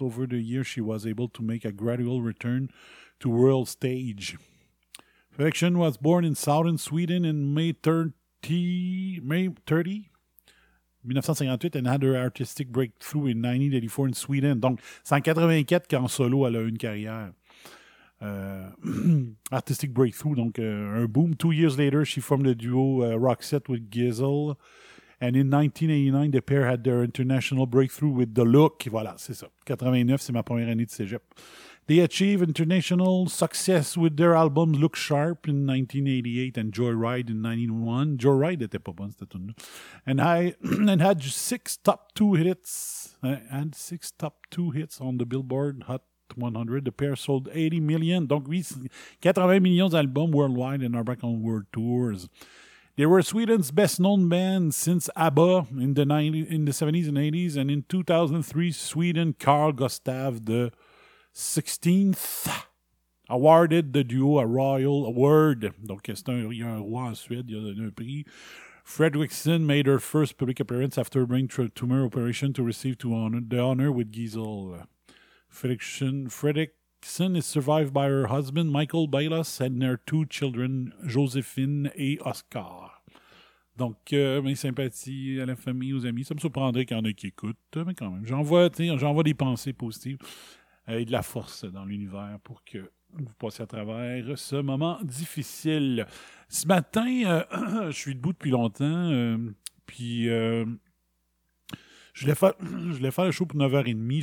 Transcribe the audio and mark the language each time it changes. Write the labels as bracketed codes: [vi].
[en] Over the years, she was able to make a gradual return to world stage. Fredrickson was born in southern Sweden in May 30, 1958, and had her artistic breakthrough in 1984 in Sweden. [fr] Donc, c'est en 84 qu'en solo, elle a eu une carrière. [en] artistic breakthrough, [fr] donc un boom. [en] 2 years later, she formed the duo Roxette with Gessle. And in 1989, the pair had their international breakthrough with The Look. [fr] Voilà, c'est ça. [en] 89, [fr] c'est ma première année de cégep. [en] They achieved international success with their album Look Sharp in 1988 and Joyride in 91. [fr] Joyride était pas bon, c'était tout. [en] And had six top two hits on the Billboard Hot 100. The pair sold 80 million, [fr] donc 80 millions d'albums [en] worldwide and are back on world tours. They were Sweden's best-known band since ABBA in the 70s and 80s, and in 2003, Sweden, Carl Gustav the 16th, awarded the duo a Royal Award. [fr] Donc, c'est un, il y a un roi en Suède, il a donné un prix. [en] Fredriksson made her first public appearance after a brain tumor operation to receive the honor with Giesel. Fredriksson is survived by her husband, Michael Bailas, and their two children, Josephine et Oscar. [fr] Donc, mes sympathies à la famille, aux amis. Ça me surprendrait qu'il y en ait qui écoutent, mais quand même. J'envoie des pensées positives et de la force dans l'univers pour que vous passez à travers ce moment difficile. Ce matin, je suis debout depuis longtemps, puis je voulais faire le show pour 9h30.